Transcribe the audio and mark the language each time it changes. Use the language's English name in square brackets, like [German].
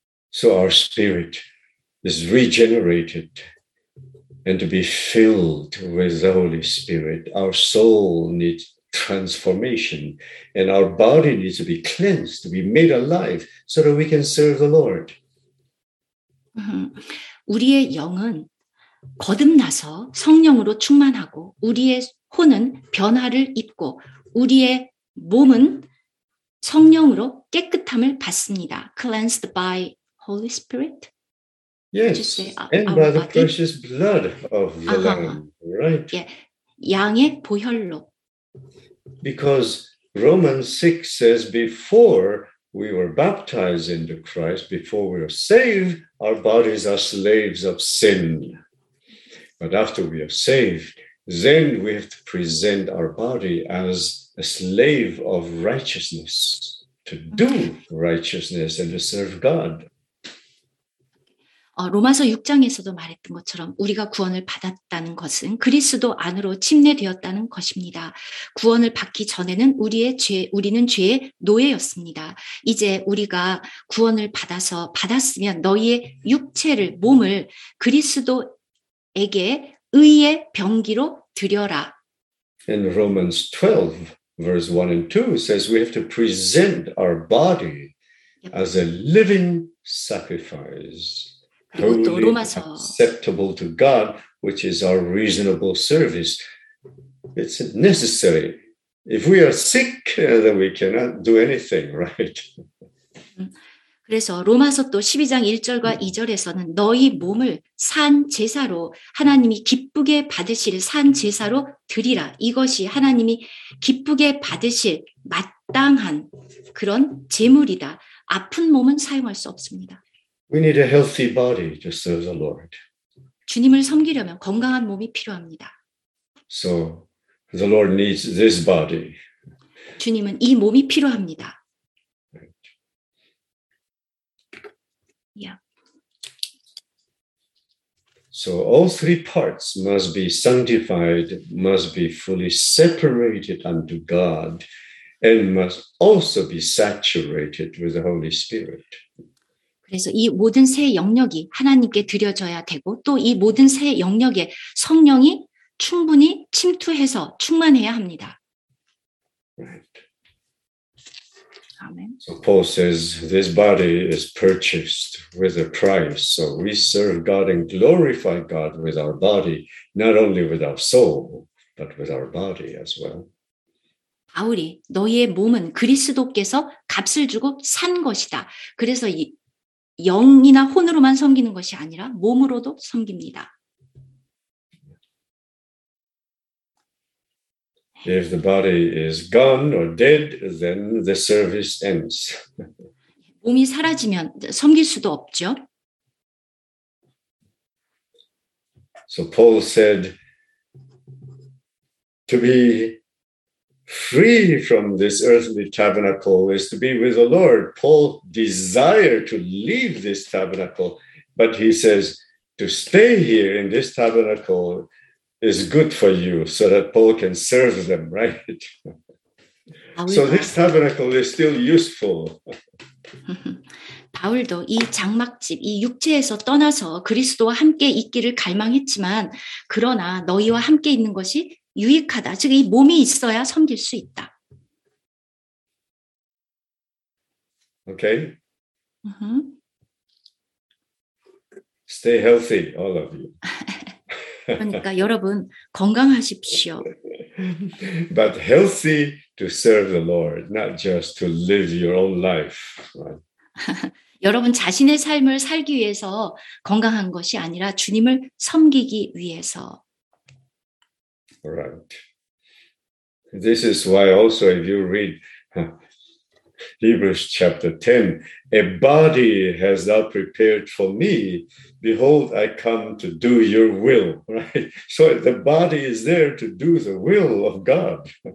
[English] So our spirit is regenerated and to be filled with the Holy Spirit. Our soul needs transformation and our body needs to be cleansed, to be made alive so that we can serve the Lord. [Korean] 우리의 영은 거듭나서 성령으로 충만하고 우리의 혼은 변화를 입고 우리의 몸은 성령으로 깨끗함을 받습니다. [English] Cleansed by Holy Spirit. Yes. And by the precious blood of the Lamb, right? [Korean] Yeah. 양의 보혈로. [English] Because Romans 6 says before we were baptized into Christ, before we were saved, our bodies are slaves of sin. But after we are saved, then we have to present our body as a slave of righteousness, to do righteousness and to serve God. [Korean] 로마서 6장에서도 말했던 것처럼 우리가 구원을 받았다는 것은 그리스도 안으로 침례되었다는 것입니다. 구원을 받기 전에는 우리는 죄의 노예였습니다. 이제 우리가 구원을 받았으면 너희의 육체를, 몸을 그리스도에게 의의 병기로 드려라. [English] In Romans 12, verse 1 and 2 says we have to present our body as a living sacrifice. Acceptable to God, which is our reasonable service. It's necessary. If we are sick, then we cannot do anything, right? [Korean] 그래서 로마서 또 12장 1절과 2절에서는 너희 몸을 산 제사로 하나님이 기쁘게 받으실 산 제사로 드리라. 이것이 하나님이 기쁘게 받으실 마땅한 그런 제물이다. 아픈 몸은 사용할 수 없습니다. [English] We need a healthy body to serve the Lord. [Korean] 주님을 섬기려면 건강한 몸이 필요합니다. [English] So the Lord needs this body. [Korean] 주님은 이 몸이 필요합니다. [English] So all three parts must be sanctified, must be fully separated unto God, and must also be saturated with the Holy Spirit. [Korean] 그래서 이 모든 세 영역이 하나님께 드려져야 되고 또 이 모든 세 영역에 성령이 충분히 침투해서 충만해야 합니다. [English] Right. Amen. So Paul says this body is purchased with a price. So we serve God and glorify God with our body, not only with our soul, but with our body as well. [Korean] 바울이 너희의 몸은 그리스도께서 값을 주고 산 것이다. 그래서 이 영이나 혼으로만 섬기는 것이 아니라 몸으로도 섬깁니다. [English] If the body is gone or dead, then the service ends. [Korean] 몸이 사라지면 섬길 수도 없죠. [English] So Paul said to be free from this earthly tabernacle is to be with the Lord. Paul desired to leave this tabernacle, but he says to stay here in this tabernacle is good for you so that Paul can serve them, right? So this tabernacle is still useful. [Korean] 바울도 이 장막집, 이 육체에서 떠나서 그리스도와 함께 있기를 갈망했지만 그러나 너희와 함께 있는 것이 유익하다. 즉, 이 몸이 있어야 섬길 수 있다. [English] Okay. Stay healthy, all of you. [Korean] 그러니까 여러분 건강하십시오. [English] But healthy to serve the Lord, not just to live your own life. Right? [Korean] 여러분 자신의 삶을 살기 위해서 건강한 것이 아니라 주님을 섬기기 위해서. [English] Right. This is why also if you read Hebrews chapter 10, a body has thou prepared for me. Behold, I come to do your will. Right. So the body is there to do the will of God.